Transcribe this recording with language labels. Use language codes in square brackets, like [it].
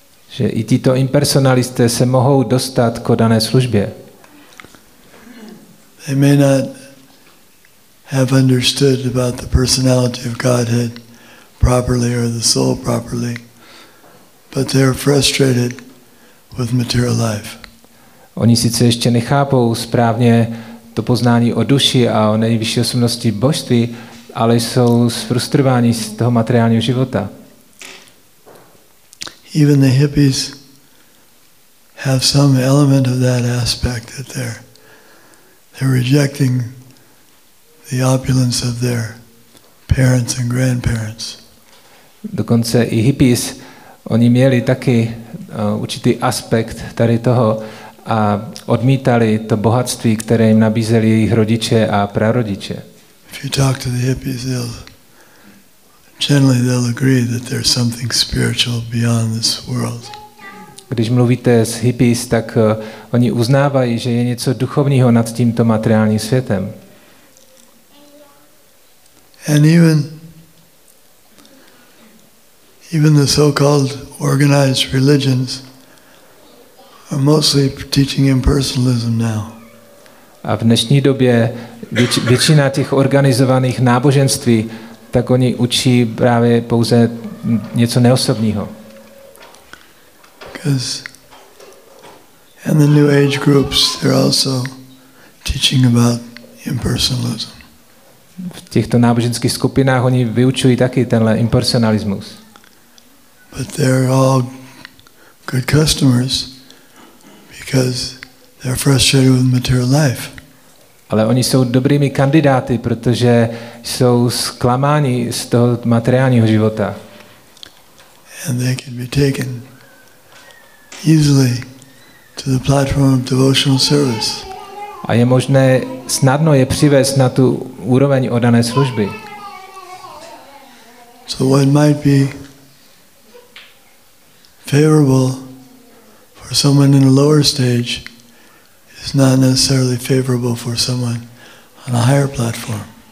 [cs] Že i tito impersonalisté se mohou dostat k dané službě. [en] They may not have understood about the personality of Godhead properly or the soul properly, but they're frustrated with material life. [cs] Oni sice ještě nechápou správně to poznání o duši a o nejvyšší osobnosti božství, ale jsou frustrováni z toho materiálního života. [en] Even the hippies have some element of that aspect that they're They're rejecting the opulence of their parents and grandparents. [cs] Dokonce i hippies, oni měli taky určitý aspekt tady toho a odmítali to bohatství, které jim nabízeli jejich rodiče a prarodiče. [en] If you talk to the hippies, they'll agree that there's something spiritual beyond this world. [cs] Když mluvíte s hippies, tak oni uznávají, že je něco duchovního nad tímto materiálním světem. [en] And even the so-called organized religions are mostly teaching impersonalism now. [cs] A v dnešní době většina těch organizovaných náboženství, tak oni učí právě pouze něco neosobního. [en] And the new age groups, they're also teaching about impersonalism. [cs] V těchto náboženských skupinách oni vyučují taky tenhle impersonalismus. [en] But they're all good customers because they're frustrated with material life. [cs] Ale oni jsou dobrými kandidáty, protože jsou zklamáni z toho materiálního života. [en] And they can be taken easily to the platform of devotional service. [cs] A je možné snadno je přivést na tu úroveň oddané služby. [en] So what might be favorable for someone in a lower stage is not necessarily favorable for someone on a higher platform.